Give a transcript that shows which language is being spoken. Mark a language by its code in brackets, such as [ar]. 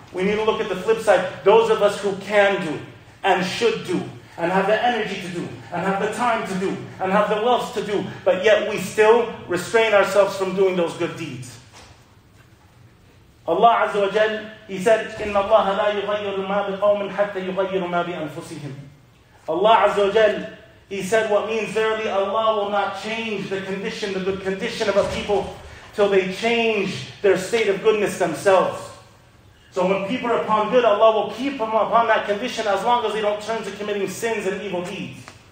[en] We need to look at the flip side. Those of us who can do and should do and have the energy to do and have the time to do and have the wealth to do, but yet we still restrain ourselves from doing those good deeds. Allah Azza wa Jal, He said, [ar] إِنَّ اللَّهَ لَا يُغَيِّرُ مَا بِقَوْمٍ حَتَّى يُغَيِّرُ مَا بِأَنفُسِهِمْ. [en] Allah Azza wa Jal, He said, what means, verily Allah will not change the condition, the good condition of a people till they change their state of goodness themselves. So when people are upon good, Allah will keep them upon that condition as long as they don't turn to committing sins and evil deeds.